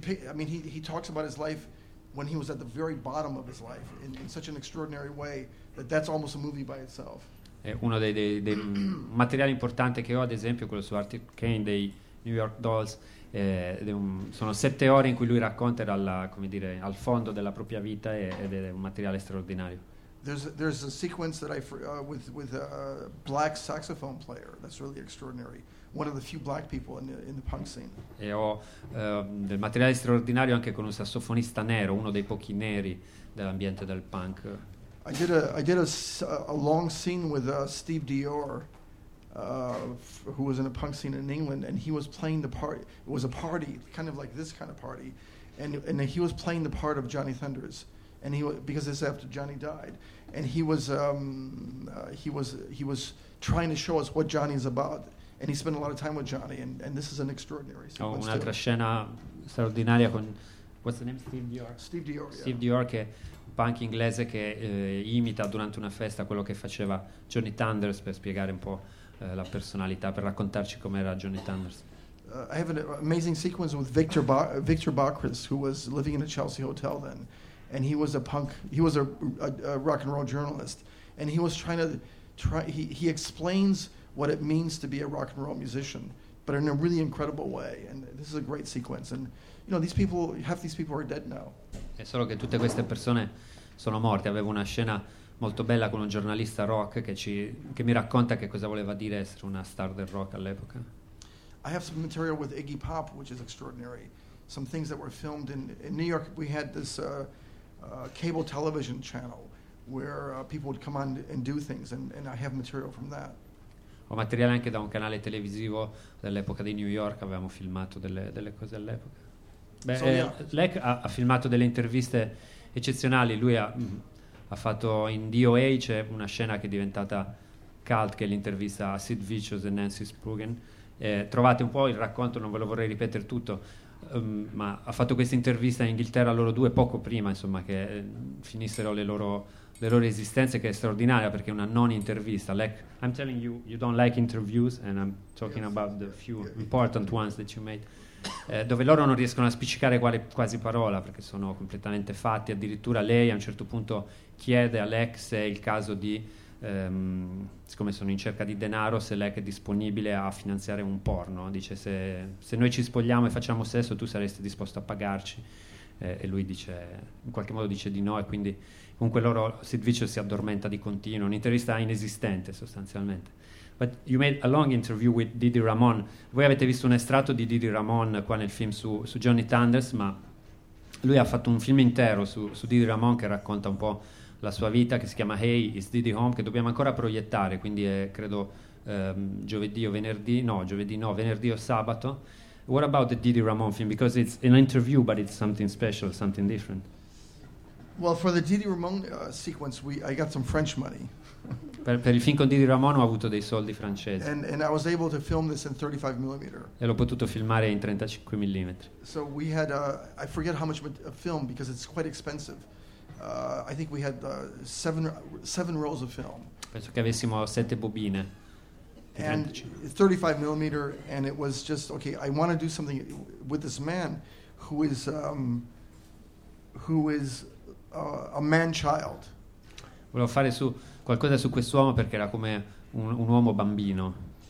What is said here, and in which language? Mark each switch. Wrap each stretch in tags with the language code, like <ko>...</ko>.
<en>I mean, he talks about his life when he was at the very bottom of his life in such an extraordinary way that's almost a movie by itself.</en> <it>È uno dei materiali importanti che ho, ad esempio, quello su Arthur Kane dei New York Dolls. Sono 7 ore in cui lui racconta al fondo della propria vita ed è un materiale straordinario.</it> <en>There's a sequence that I with a black saxophone player that's really extraordinary. One of the few black people in the punk scene.</en> <it>E ho del materiale straordinario anche con un sassofonista nero, uno dei pochi neri dell'ambiente del punk.</it> <en>I did a long scene with Steve Dior who was in a punk scene in England, and he was playing the part. It was a party, kind of like this kind of party, and he was playing the part of Johnny Thunders, and because this after Johnny died, and he was trying to show us what Johnny is about, and he spent a lot of time with Johnny, and this is an extraordinary scene.</en> <it>Oh, un'altra scena straordinaria con,</it> <en>what's the name?</en> <it>Steve Dior.</it> <en>Steve Dior. Yeah.</en> <it>Steve Dior, che punk inglese che imita durante una festa quello che faceva Johnny Thunders, per spiegare un po' la personalità, per raccontarci com'era Johnny Thunders.</it> <en>I have an amazing sequence with Victor Bacris, who was living in a Chelsea hotel then, and he was a punk, he was a rock and roll journalist, and he was trying to he explains what it means to be a rock and roll musician, but in a really incredible way, and this is a great sequence, and you know, these people, half these people are dead now.</en> <it>È solo che tutte queste persone sono morte. Avevo una scena molto bella con un giornalista rock che mi racconta che cosa voleva dire essere una star del rock all'epoca.</it> <en>I have some material with Iggy Pop, which is extraordinary. Some things that were filmed in New York, we had this cable television channel where people would come on and do things, and I have material from that.</en> <it>Ho materiale anche da un canale televisivo dell'epoca di New York, avevamo filmato delle cose all'epoca. Beh,</it> <en>so, yeah.</en> <it>Lech ha filmato delle interviste eccezionali, lui ha fatto in DOA, c'è una scena che è diventata cult, che è l'intervista a Sid Vicious e Nancy Spruggen. Trovate un po' il racconto, non ve lo vorrei ripetere tutto, ma ha fatto questa intervista in Inghilterra loro due poco prima, insomma, che finissero le loro esistenze, che è straordinaria perché è una non intervista.</it> <en>Like, I'm telling you, you don't like interviews, and I'm talking about the few important ones that you made.</en> <it>Dove loro non riescono a spiccicare quasi parola perché sono completamente fatti. Addirittura lei a un certo punto chiede a Lech se è il caso di, siccome sono in cerca di denaro, se Lech è disponibile a finanziare un porno. Dice: se noi ci spogliamo e facciamo sesso, tu saresti disposto a pagarci? E lui dice, in qualche modo dice di no, e quindi comunque loro, Sid Vicious si addormenta di continuo. Un'intervista inesistente sostanzialmente.</it> <en>But you made a long interview with Didi Ramon.</en> <it>Voi avete visto un estratto di Didi Ramon qua nel film su Johnny Thunders, ma lui ha fatto un film intero su Didi Ramon che racconta un po' la sua vita, che si chiama Hey, is Didi Home, che dobbiamo ancora proiettare, quindi è, credo, venerdì o sabato.</it> <en>What about the Didi Ramon film? Because it's an interview, but it's something special, something different. Well, for the Didi Ramon sequence, I got some French money.</en> <it>Per il film con Didi Ramon ho avuto dei soldi francesi.</it> <en>And I was able to film this in 35 millimeter.</en> <it>E l'ho potuto filmare in 35 millimetri.</it> <en>So we had I forget how much a film, because it's quite expensive. I think we had seven rolls of film.</en> <it>Penso che avessimo sette bobine.</it> <en>And 35 millimeter, and it was just okay. I want to do something with this man, who is a man child.</en> <it>Volevo fare su qualcosa su quest'uomo perché era come un uomo bambino.</it>